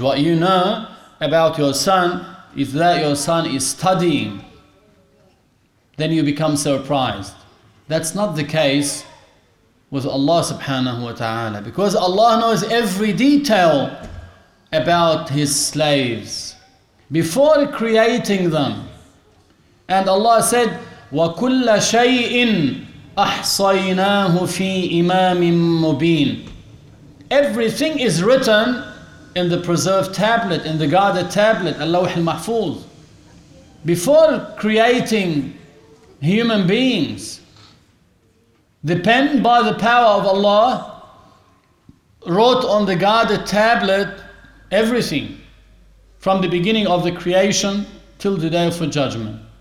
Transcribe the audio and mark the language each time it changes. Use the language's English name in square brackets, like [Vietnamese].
[English] What you know about your son is that your son is studying. Then you become surprised. That's not the case with Allah subhanahu wa ta'ala. Because Allah knows every detail about his slaves before creating them. And Allah said, [Arabic] وَكُلَّ شَيْءٍ أَحْصَيْنَاهُ فِي إِمَامٍ مُبِينٍ. [English] Everything is written in the preserved tablet, in the guarded tablet, Allah al-Mahfuz. Before creating human beings, the pen by the power of Allah wrote on the guarded tablet everything from the beginning of the creation till the day for judgment.